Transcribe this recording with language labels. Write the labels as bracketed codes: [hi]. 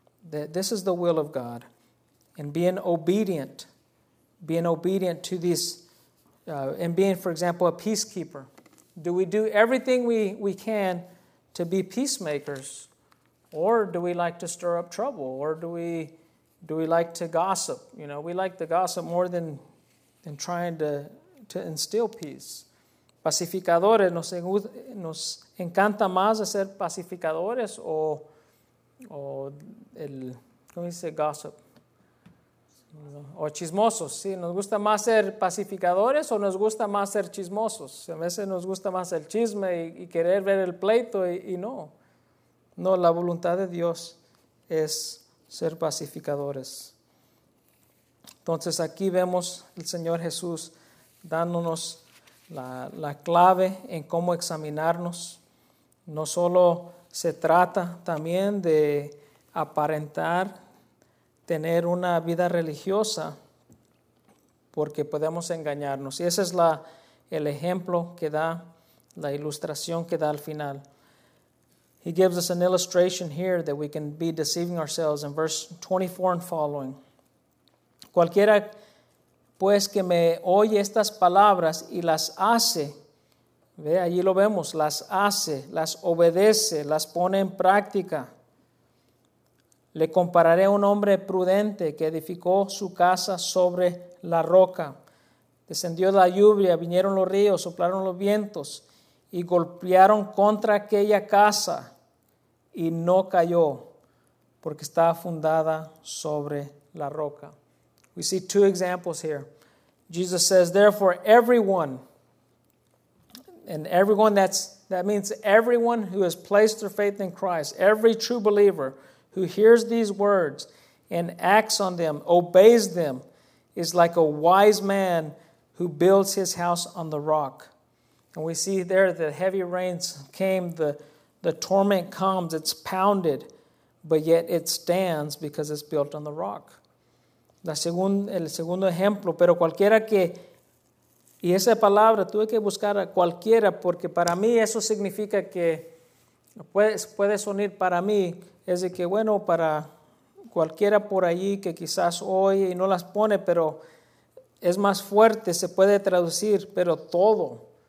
[en] This is the will of God. And being obedient to these, and being, for example, a peacekeeper. Do we do everything we can to be peacemakers? Or do we like to stir up trouble? Or do we like to gossip? You know, we like the gossip more than trying to instill peace. [es] Pacificadores, nos encanta más hacer pacificadores o el, ¿cómo dice? [en] Gossip. [es] O chismosos, sí, nos gusta más ser pacificadores o nos gusta más ser chismosos. A veces nos gusta más el chisme y querer ver el pleito y no. No, la voluntad de Dios es ser pacificadores. Entonces aquí vemos el Señor Jesús dándonos la clave en cómo examinarnos. No solo se trata también de aparentar tener una vida religiosa, porque podemos engañarnos. Y ese es el ejemplo que da, la ilustración que da al final. [en] He gives us an illustration here that we can be deceiving ourselves in verse 24 and following. [es] Cualquiera pues que me oye estas palabras y las hace, ve, allí lo vemos, las hace, las obedece, las pone en práctica. Le compararé a un hombre prudente que edificó su casa sobre la roca. Descendió la lluvia, vinieron los ríos, soplaron los vientos y golpearon contra aquella casa y no cayó porque estaba fundada sobre la roca. [en] We see two examples here. Jesus says, therefore, everyone, and everyone, that means everyone who has placed their faith in Christ, every true believer who hears these words and acts on them, obeys them, is like a wise man who builds his house on the rock. And we see there the heavy rains came, the torment comes, it's pounded, but yet it stands because it's built on the rock. [es] El segundo ejemplo, pero cualquiera que, y esa palabra tuve que buscar a cualquiera, porque para mí eso significa que puede sonar para mí, es de que bueno, para cualquiera por allí que quizás oye y no las pone, pero es más fuerte, se puede traducir, pero todo,